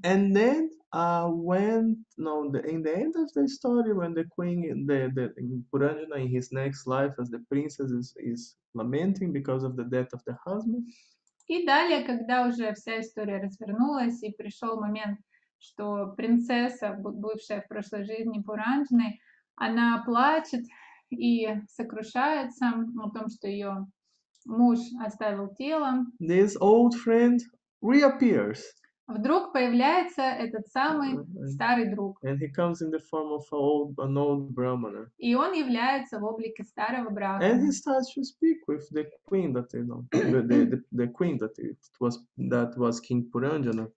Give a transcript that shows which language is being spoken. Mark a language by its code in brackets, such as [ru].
[en] And then, in the end of the story, when the queen, the Puranjana in his next life as the princess is lamenting because of the death of the husband. [ru] И далее, когда уже вся история развернулась и пришел момент, что принцесса, бывшая в прошлой жизни Пуранджаной, она плачет и сокрушается о том, что ее Муж оставил тело. [en] This old friend reappears. [ru] Вдруг появляется этот самый старый друг. [en] And he comes in the form of an old brahmana. [ru] И он является в облике старого брахмана. [en] And he starts to speak with the queen that you know, the queen that it was that was King Puranjana.